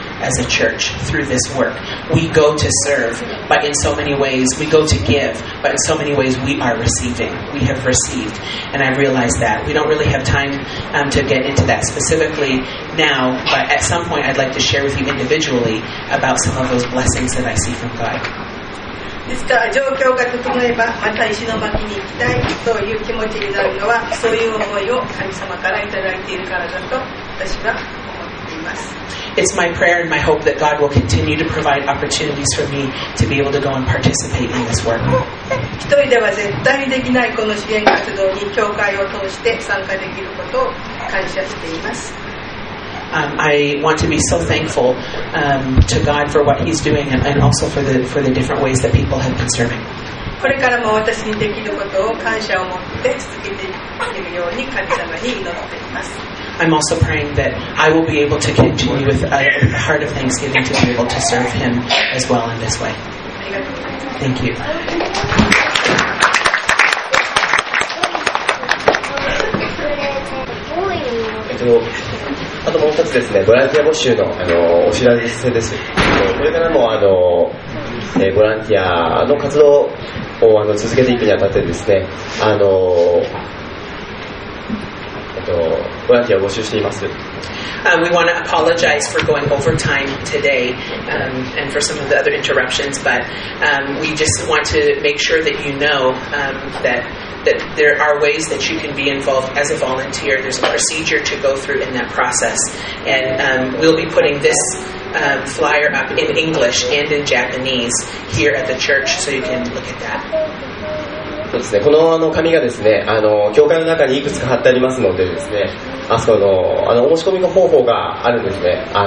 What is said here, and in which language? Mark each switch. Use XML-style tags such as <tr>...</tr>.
<en>as a church through this work. We go to serve, but in so many ways we go to give, but in so many ways we are receiving. We have received, and I realize that. We don't really have time to get into that specifically now, but at some point I'd like to share with you individually about some of those blessings that I see from God.</en> <ja>ですから状況が整えばまた石巻に行きたいという気持ちになるのはそういう思いを神様からいただいているからだと私は思っています。</ja> <en>It's my prayer and my hope that God will continue to provide opportunities for me to be able to go and participate in this work.</en> <ja>一人では絶対にできないこの支援活動に教会を通して参加できることを感謝しています。</ja> <en>I want to be so thankful to God for what He's doing and also for the different ways that people have been serving.</en> <ja>これからも私にできることを感謝を持って続けていくように神様に祈っています。</ja> <en>I'm also praying that I will be able to continue with a heart of thanksgiving to be able to serve Him as well in this way. Thank you.</en> <ja>あともう一つですね、ボランティア募集 の、 お知らせです。これからもボランティアの活動を続けていくにあたってですね、ボランティアを募集しています。</ja> <en>We want to apologize for going over time today and for some of the other interruptions, but we just want to make sure that you know that there are ways that you can be involved as a volunteer. There's a procedure to go through in that process. And we'll be putting this flyer up in English and in Japanese here at the church, so you can look at that.</en> <ja>そうですね、この紙がですね、教会の中にいくつか貼ってありますのでですね、お申し込みの方法があるんですね。</ja>